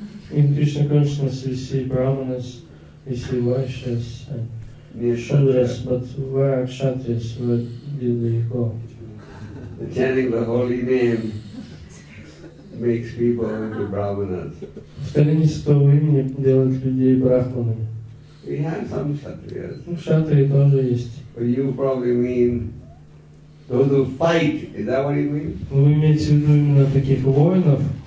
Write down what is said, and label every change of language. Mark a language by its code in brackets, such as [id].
[en] In Krishna consciousness, we see Brahmanas, we see Vaishyas, and Shudras, but where are Kshatriyas? Where did they go? The chanting the holy name makes people into Brahmanas. [ru] Повторение святого имени делает людей брахманами. [en] We have some Kshatriyas. [ru] Кшатрии тоже есть. [en] But you probably mean those who fight, is that what you mean? [ru] Вы имеете в виду именно таких воинов?